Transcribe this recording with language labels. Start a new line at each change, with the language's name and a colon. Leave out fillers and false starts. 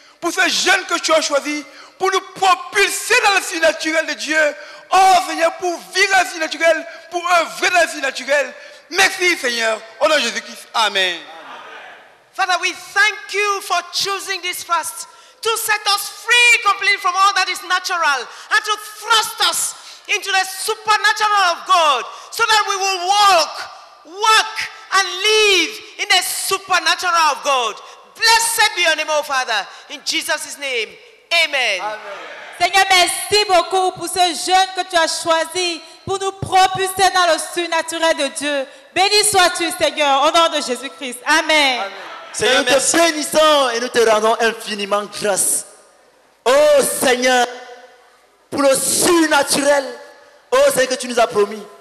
French: Pour ce jeune que tu as choisi, pour nous propulser dans la vie naturelle de Dieu. Oh Seigneur, pour vivre dans la vie naturelle, pour œuvrer dans la vie naturelle. Merci Seigneur, au nom de Jésus-Christ. Amen.
English: Father, we thank you for choosing this fast to set us free completely from all that is natural and to thrust us into the supernatural of God so that we will walk, and live in the supernatural of God. Blessed be your name, O Father, in Jesus' name. Amen.
French: Seigneur, merci beaucoup pour ce jeune que tu as choisi pour nous propulser dans le surnaturel de Dieu. Béni sois-tu, Seigneur, au nom de Jésus-Christ. Amen. Seigneur, nous te bénissons et nous te rendons infiniment grâce. Oh Seigneur, pour le surnaturel, oh Seigneur, que tu nous as promis.